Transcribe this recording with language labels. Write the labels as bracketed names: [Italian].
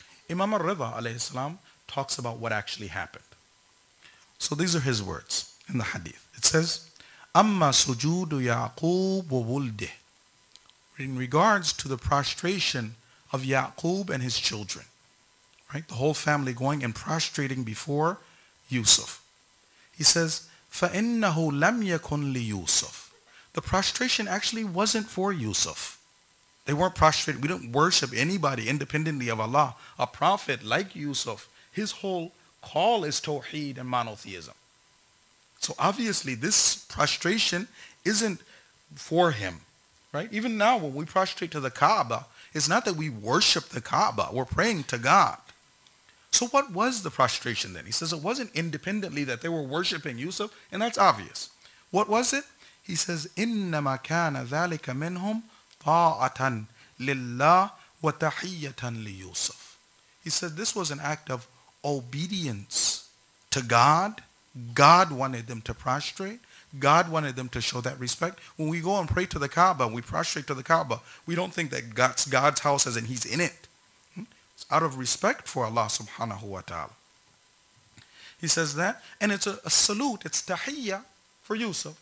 [English] Imam al-Ridha, alayhi salam, talks about what actually happened. So, these are his words in the hadith. It says, [Arabic] Amma sujoodu Ya'qub wa buldih. [English] In regards to the prostration of Ya'qub and his children, right? The whole family going and prostrating before Yusuf. He says, [Arabic] فَإِنَّهُ لَمْ يَكُنْ لِيُوسُفْ. [English] The prostration actually wasn't for Yusuf. They weren't prostrated. We don't worship anybody independently of Allah. A prophet like Yusuf, his whole call is Tawheed and monotheism. So obviously this prostration isn't for him, right? Even now when we prostrate to the Kaaba, it's not that we worship the Kaaba, we're praying to God. So what was the prostration then? He says it wasn't independently that they were worshiping Yusuf, and that's obvious. What was it? He says, [Arabic] إِنَّمَا كَانَ ذَلِكَ مِنْهُمْ طَاعَةً لِلَّهِ وَتَحِيَّةً لِيُوسُفِ. [English] He says this was an act of obedience to God. God wanted them to prostrate. God wanted them to show that respect. When we go and pray to the Kaaba, we prostrate to the Kaaba, we don't think that God's house is and he's in it. It's out of respect for Allah subhanahu wa ta'ala. He says that, and it's a salute, it's tahiyya for Yusuf.